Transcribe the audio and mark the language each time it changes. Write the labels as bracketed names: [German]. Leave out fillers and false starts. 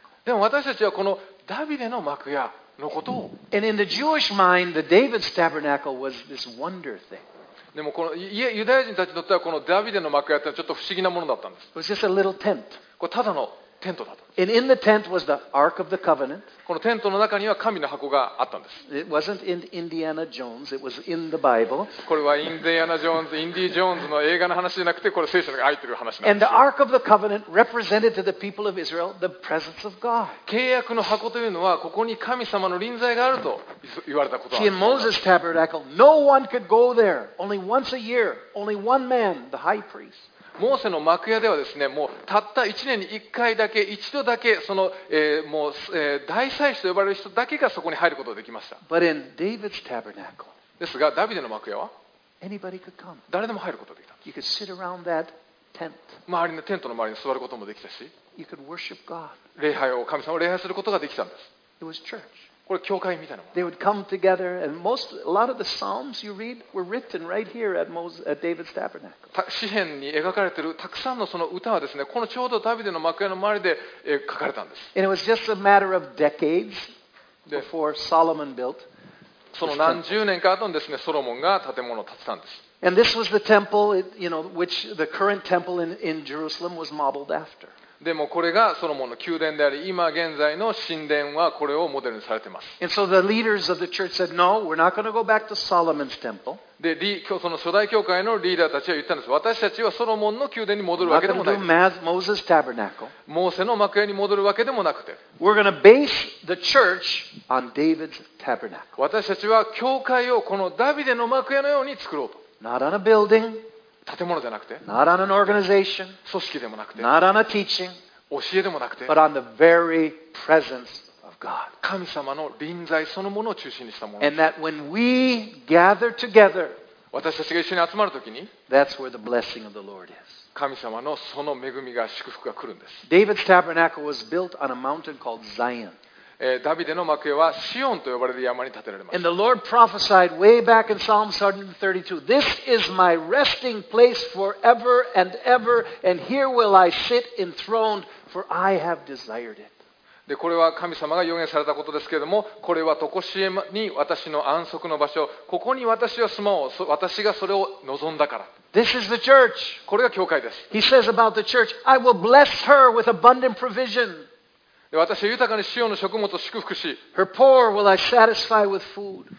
[Japanese] でも私たちはこのダビデの幕屋のことを。 [English] And in the Jewish mind, the David's tabernacle was this wonder thing. [Japanese] でもこのユダヤ人たちにとってはこのダビデの幕屋ってちょっと不思議なものだったんです。 [English] It was just a little tent. [Japanese] これただのテントだと。 [English] And in the tent was the Ark of the Covenant. [Japanese] このテントの中には神の箱があったんです。 [English] It wasn't in Indiana Jones. It was in the Bible. [Japanese] これはインディアナ・ジョーンズ、インディ・ジョーンズの映画の話じゃなくて、これ聖書に入ってる話なんです。 [English] And the Ark of the Covenant represented to the people of Israel the presence of God. [Japanese] 契約の箱というのはここに神様の臨在があると言われたこと [English] は。In Moses' tabernacle, no one could go there. Only once a year, only one man, the high priest. [Japanese] モーセの幕屋ではですね、もうたった1年に1回だけ、一度だけ、その、もう、大祭司と呼ばれる人だけがそこに入ることができました。 [English] But in David's tabernacle, [Japanese] ですが、ダビデの幕屋は、 [English] anybody could come. [Japanese] 誰でも入ることができた。 [English] You could sit around that tent. [Japanese] 周りのテントの周りに座ることもできたし、 [English] you could worship God. [Japanese] 礼拝を、神様を礼拝することができたんです。 [English] It was church. [Japanese] これ教会みたいなもの。 [English] They would come together, and most, a lot of the psalms you read were written right here at, Moses, at David's tabernacle. [Japanese] 詩編に描かれているたくさんのその歌はですね、このちょうどダビデの幕屋の周りで書かれたんです。 [English] And it was just a matter of decades before Solomon built. [Japanese] その何十年か後にですね、ソロモンが建物を建てたんです。 [English] And this was the temple, you know, which the current temple in Jerusalem was modeled after. [Japanese] でもこれがソロモンの宮殿であり、今現在の神殿はこれをモデルにされています。 [English] And so the leaders of the church said, no, we're not going to go back to Solomon's temple. [Japanese] で、その初代教会のリーダーたちは言ったんです。私たちはソロモンの宮殿に戻るわけでもない。 [English] Moses tabernacle. [Japanese] モーセの幕屋に戻るわけでもなくて。 [English] We're going to base the church on David's tabernacle. [Japanese] 私たちは教会をこのダビデの幕屋のように作ろうと。 [English] Not on a building. [Japanese] 建物じゃなくて、 [English] not on an organization, [Japanese] 組織でもなくて、 [English] not on a teaching, [Japanese] 教えでもなくて、 [English] but on the very presence of God. [Japanese] 神様の臨在そのものを中心にしたもの。 [English] And that when we gather together, [Japanese] 私たちが一緒に集まるときに、 [English] that's where the blessing of the Lord is. [Japanese] 神様のその恵みが祝福が来るんです。 [English] David's tabernacle was built on a mountain called Zion. [Japanese] ダビデの幕屋はシオンと呼ばれる山に建てられました。 [English] And the Lord prophesied way back in Psalm 132, This is my resting place forever and ever, and here will I sit enthroned, for I have desired it. [Japanese] で、これは神様が予言されたことですけれども、これはとこしえに私の安息の場所、ここに私は住まおう、私がそれを望んだから。 [English] This is the church. [Japanese] これが教会です。 [English] He says about the church, I will bless her with abundant provision. [Japanese] で、私は豊かに塩の食物を祝福し、 [English] Her poor will I satisfy with food.